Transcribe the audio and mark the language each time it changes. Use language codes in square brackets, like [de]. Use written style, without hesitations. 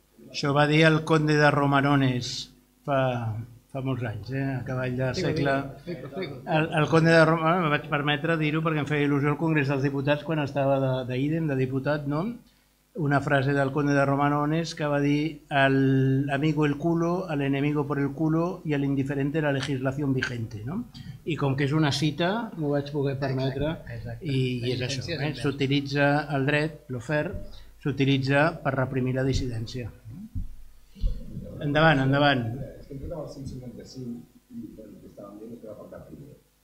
[ca] Això va dir el conde de Romanones fa molts anys, a cavall de segle. El conde de Romanones, me vaig permetre dir-ho perquè em feia il·lusió al Congrés dels Diputats quan estava d'ídem, de diputat, no? Una frase del conde de Romanones que va dir [es] al amigo el culo, al enemigo por el culo y al indiferente la legislación vigente. [ca] No? I com que és una cita, m'ho vaig poder permetre. Exacte. I és això, s'utilitza el dret, l'ofer, s'utilitza per reprimir la dissidència. Endavant, endavant. És que hem fet amb el 155 i el que estàvem dient és que era per cap primer.